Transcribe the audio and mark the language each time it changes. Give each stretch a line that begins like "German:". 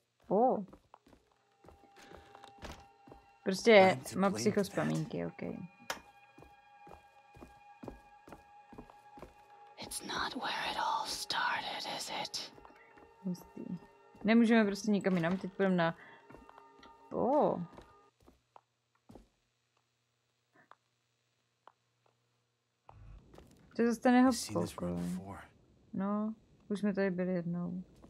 Czech: Oh. Prostě má psychospomínky, okej.
English: It's not where it all started, is it?
Czech: Hustý. Nemůžeme prostě nikam jinam, teď půjdem na... Oh. To je zase ten jeho pokoj. No, už jsme tady byli jednou.